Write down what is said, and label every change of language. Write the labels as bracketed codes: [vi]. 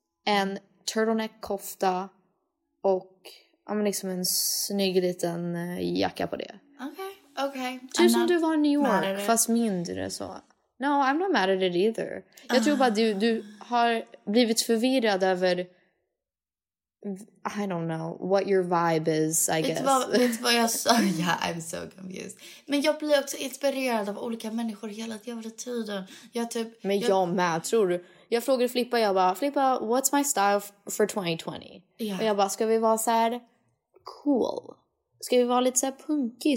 [sv] En turtleneck kofta. Och liksom en snygg liten jacka på det. Okej. Typ som du var i New York. Fast mindre så. [en] No, I'm not mad at it either. [sv] Jag tror bara du har blivit förvirrad över... [en] I don't know what your vibe is, I guess. [sv] Vet du vad jag sa? [en] Yeah, I'm so confused. [sv] Men jag blir också inspirerad av olika människor hela jävla tiden. Jag typ, men jag med, tror du? Jag frågade Flippa, jag bara, Flippa, [en] what's my style for 2020? Yeah. [sv] Och jag bara, ska vi vara så här cool? Ska vi vara lite så här punky?